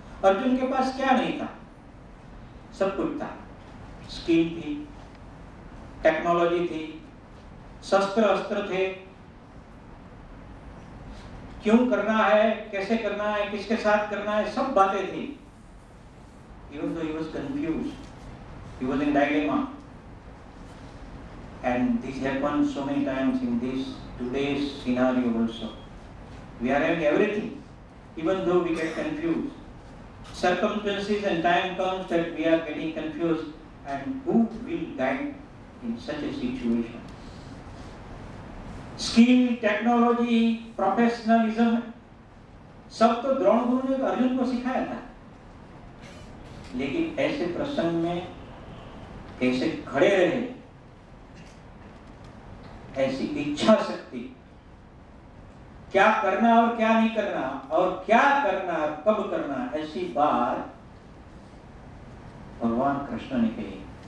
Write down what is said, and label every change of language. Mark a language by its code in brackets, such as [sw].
[hi] अर्जुन के पास क्या नहीं था, सब कुछ था, स्किल थी, टेक्नोलॉजी थी, शस्त्र अस्त्र थे, क्यों करना है, कैसे करना है, किसके साथ करना है, सब बातें थी। [en] Even though he was confused, he was in dilemma, and this happened so many times in this today's scenario also. We are having everything, even though we get confused. Circumstances and time comes that we are getting confused, and who will guide in such a situation? [hi] Skill, technology, professionalism, सब तो द्रोण गुरु ने अर्जुन को सिखाया था। लेकिन ऐसे प्रसंग में कैसे खड़े रहे, ऐसी इच्छा शक्ति, क्या करना और क्या नहीं करना, और क्या करना कब करना, ऐसी बात भगवान कृष्ण ने कही।